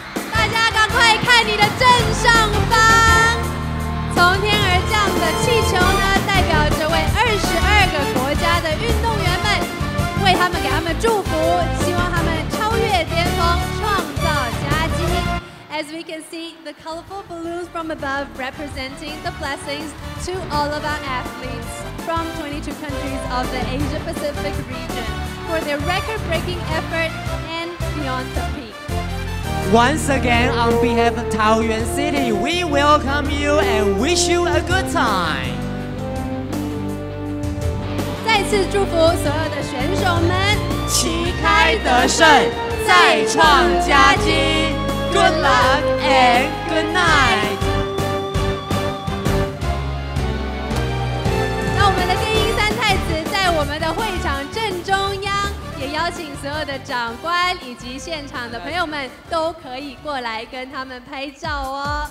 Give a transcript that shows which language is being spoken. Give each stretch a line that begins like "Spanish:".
Chinese: 大家赶快看你的正上方，从天而降的气球呢，代表着为22个国家的运动员们，为他们给他们祝福，希望他们超越巅峰，创造佳绩。
English: As we can see, the colorful balloons from above representing the blessings to all of our athletes from 22 countries of the Asia-Pacific region for their record-breaking effort and beyond the peak. Once again, on behalf of Taoyuan City, we welcome you and wish you a good time.
Chinese: 再次祝福所有的选手们旗开得胜，再创佳绩。
English: Good luck and good night.
Chinese: 那我们的电音三太子在我们的会场正中央，也邀请所有的长官以及现场的朋友们都可以过来跟他们拍照哦。